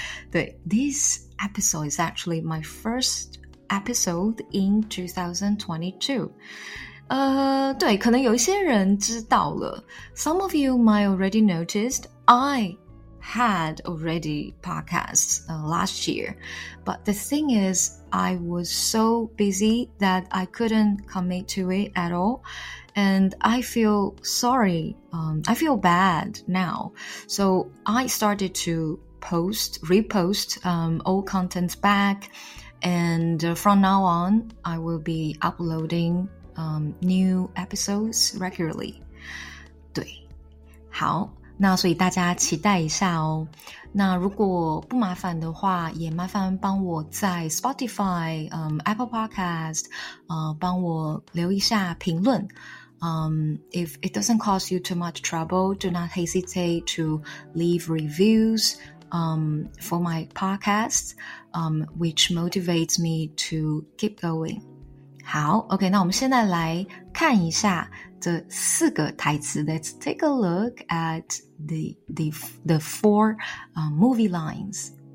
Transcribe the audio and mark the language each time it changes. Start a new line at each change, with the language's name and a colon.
English: 对，This episode is actually my first episode in 2022。
Chinese: 对，可能有一些人知道了。
English: Some of you might already noticed I had already podcasts last year, but the thing is, I was so busy that I couldn't commit to it at all. And I feel sorry. I feel bad now. So I started to repost old contents back. And from now on, I will be uploading new episodes regularly.
Chinese: 对，好，那所以大家期待一下哦。那如果不麻烦的话，也麻烦帮我在 Spotify、Apple Podcast，帮我留一下评论。
English: If it doesn't cause you too much trouble, do not hesitate to leave reviews, for my podcast, which motivates me to keep going.
Chinese: 好，OK，那我们现在来看一下这四个台词。
English: Let's take a look at the four, movie lines.